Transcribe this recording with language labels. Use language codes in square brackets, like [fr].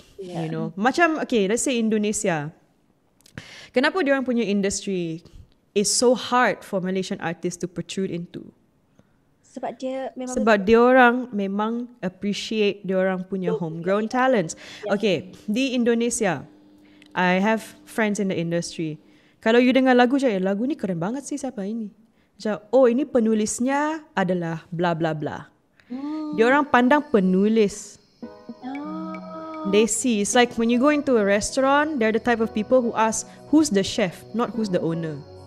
[en] You know, macam okay, let's say Indonesia. [ms] Kenapa diorang punya [en] industry is so hard for Malaysian artists to protrude into? [ms] Sebab diorang memang appreciate diorang punya homegrown talents. [en] Okay, di Indonesia, I have friends in the industry. [ms] Kalau you dengar lagu je, lagu ni [id] keren banget sih, [ms] siapa ini? Macam, oh ini penulisnya adalah bla bla bla. Diorang pandang penulis. [en] They see, it's like when you go into a restaurant, they're the type of people who ask, who's the chef, not who's the owner.